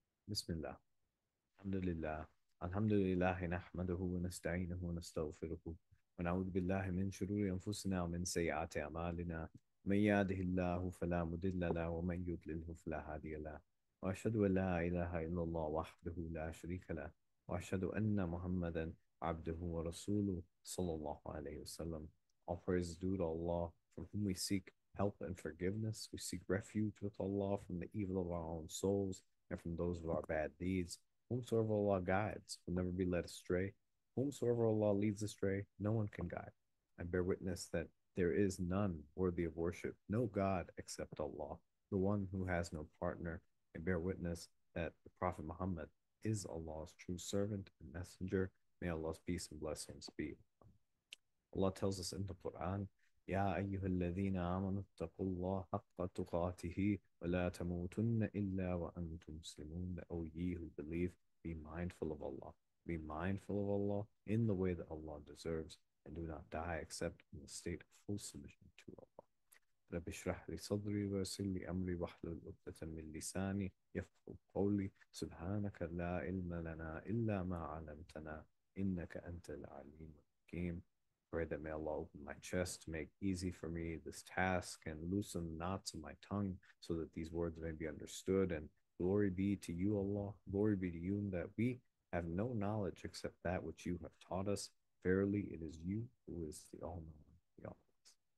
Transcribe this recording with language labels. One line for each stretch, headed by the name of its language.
Arabic: بسم الله، الحمد لله، الحمد لله نحمده ونستعينه ونستغفره ونعوذ بالله من شرور أنفسنا ومن سيئات أعمالنا، من يهده الله فلا مضل له ومن يضلله فلا هادي له، وأشهد أن لا إله إلا الله وحده لا شريك له، وأشهد أن محمدا عبده ورسوله صلى الله عليه وسلم.
English: All praise due to Allah from whom we seek help and forgiveness. We seek refuge with Allah from the evil of our own souls and from those of our bad deeds. Whomsoever Allah guides will never be led astray. Whomsoever Allah leads astray, no one can guide. I bear witness that there is none worthy of worship, no God except Allah, the one who has no partner. I bear witness that the Prophet Muhammad is Allah's true servant and messenger. May Allah's peace and blessings be. Allah tells us in the Quran,
Arabic: يا أيها الذين آمنوا اتقوا الله حق تقاته ولا تموتن إلا وأنتم مسلمون.
English: O ye who believe, be mindful of Allah. Be mindful of Allah in the way that Allah deserves and do not die except in the state of full submission to Allah.
Arabic: رب اشرح لي صدري ويسر لي أمري واحلل عقدة من لساني يفقهوا قولي سبحانك لا علم لنا إلا ما علمتنا إنك أنت العليم الحكيم.
English: Pray that may Allah open my chest to make easy for me this task and loosen the knots of my tongue so that these words may be understood. And glory be to you, Allah. Glory be to you in that we have no knowledge except that which you have taught us. Verily, it is you who is the all-knowing, the all-wise.